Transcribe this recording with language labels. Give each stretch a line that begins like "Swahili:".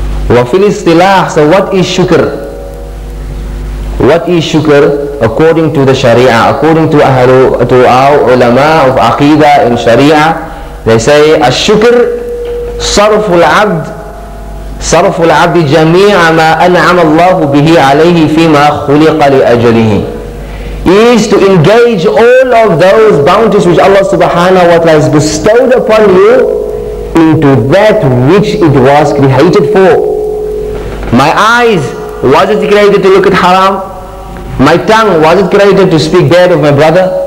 Arabic: وَفِي الْإِصْطِلَاحِ.
English: So what is shukr? What is shukr according to the sharia? According to our ulama of aqidah and sharia, they say,
Arabic: الشكر صرف العبد صرف العبد جميع ما أنعم الله به عليه فيما خلق لأجله.
English: Is to engage all of those bounties which Allah subhanahu wa ta'ala has bestowed upon you into that which it was created for. My eyes, was it created to look at haram? My tongue, was it created to speak bad of my brother?